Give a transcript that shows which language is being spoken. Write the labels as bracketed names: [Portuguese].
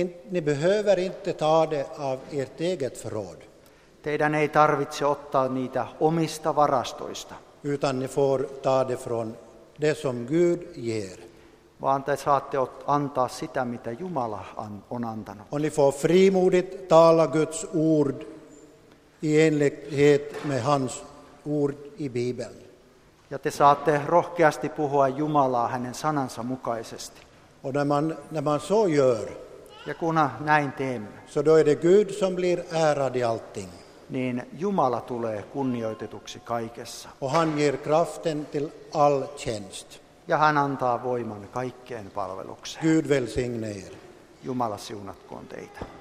[Swedish] Ni behöver inte ta det av ert eget förråd. [Finnish] Teidän ei tarvitse ottaa niitä omista varastoista. [Swedish] Utan ni får ta det från det som Gud ger. [Finnish] Vaan te saatte antaa sitä, mitä Jumala on antanut. [Swedish] Och ni får frimodigt tala Guds ord i enlighet med hans ord i Bibeln. [Finnish] Ja te saatte rohkeasti puhua Jumalaa hänen sanansa mukaisesti. [Swedish] Och när man så gör, [Finnish] ja kun näin teemme, [Swedish] så då är det Gud som blir ärad i allting. [Finnish] Niin Jumala tulee kunnioitetuksi kaikessa. [Swedish] Och han ger kraften till all tjänst. [Finnish] ja hän antaa voiman kaikkeen palvelukseen. [Swedish] Gud välsigne er. [Finnish] Jumala siunatkoon teitä.